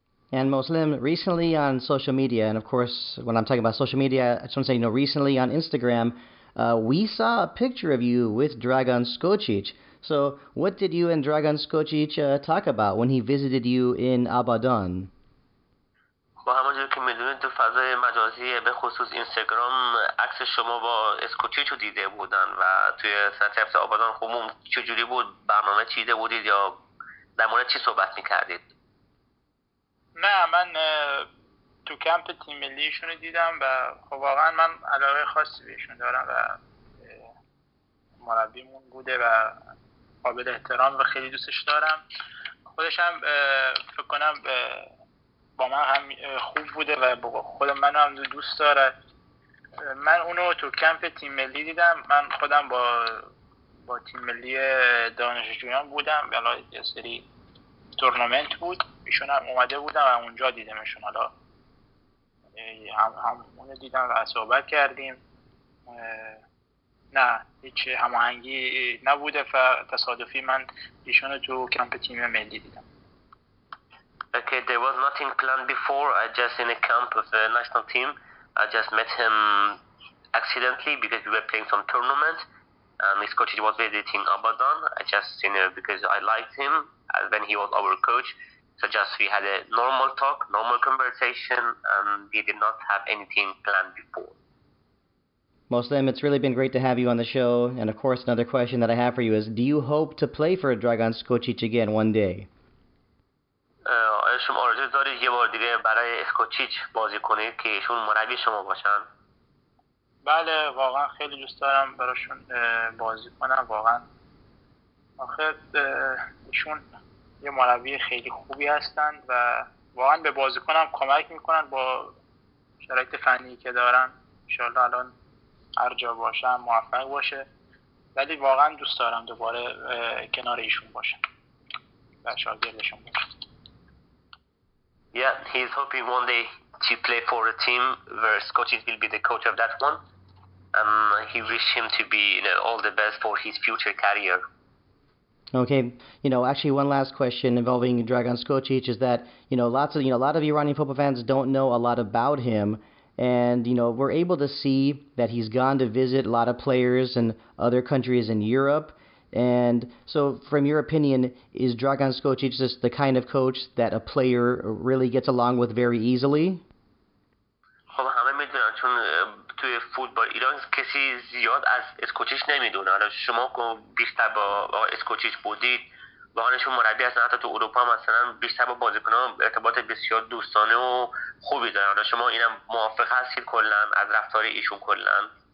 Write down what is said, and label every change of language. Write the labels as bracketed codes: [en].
[en] And Moslem, recently on social media, and of course, when I'm talking about social media, I just want to say, you know, recently on Instagram, we saw a picture of you with Dragan Skocic. So what did you and Dragan Skocic talk about when he visited you in Abadan? [fa] با همونجور که میدونید تو فضای مجازی به خصوص اینستاگرام عکس شما با اسکوچیچو دیده بودن و توی سنت نفت آبادان خموم چجوری بود؟ برنامه چیده بودید یا در مورد چی صحبت میکردید؟ نه من تو کمپ تیم ملیشون رو دیدم و خب واقعا من علاقه خاصی بهشون دارم و مربیمون بوده و قابل احترام و خیلی دوستش دارم، خودشم فکر کنم با من هم خوب بوده و با خود من هم دوست داره. من اونو تو کمپ تیم ملی دیدم، من خودم با تیم ملی دانشجویان بودم، حالا یه سری تورنمنت بود ایشون هم اومده بودم و اونجا دیدمشون، حالا هم اونو دیدم و صحبت کردیم. نه هیچ هماهنگی نبوده و تصادفی من ایشون رو تو کمپ تیم ملی دیدم. [en] Okay, there was nothing planned before. I just in a camp of the national team, I just met him accidentally because we were playing some tournament and his coach was visiting Abadan. I just, you know, because I liked him when he was our coach. So just we had a normal talk, normal conversation, and we did not have anything planned before. Moslem, it's really been great to have you on the show. And of course, another question that I have for you is, do you hope to play for Dragan Skocic again one day? [fa] شما آرزو دارید یه بار دیگه برای اسکوچیچ بازی کنید که ایشون مربی شما باشن؟ بله واقعا خیلی دوست دارم براشون بازی کنم، واقعا آخر ایشون یه مربی خیلی خوبی هستن و واقعا به بازی کنم کمک میکنن با شرایط فنی که دارن، انشاءالله الان هر جا باشم موفق باشه، ولی واقعا دوست دارم دوباره کنار ایشون باشم و شاگردشون باشم. [en] Yeah, he's hoping one day to play for a team where Skocic will be the coach of that one. And he wishes him to be, you know, all the best for his future career. Okay, you know, actually one last question involving Dragan Skocic is that, you know, a lot of Iranian football fans don't know a lot about him. And, you know, we're able to see that he's gone to visit a lot of players in other countries in Europe. And so from your opinion, is Dragan Skocic just the kind of coach that a player really gets along with very easily? [fa] خب همه میدونن چون توی فوتبال ایران کسی زیاد از اسکوچیچ نمیدونه. حالا شما بیشتر با اسکوچیچ بودید، با هنشون مربی هستن، حتی تو اروپا مثلا بیشتر با بازیکنان ارتباط بسیار دوستانه و خوبی دارن. حالا شما اینم موافق هستید کلن از رفتار ایشون کلن؟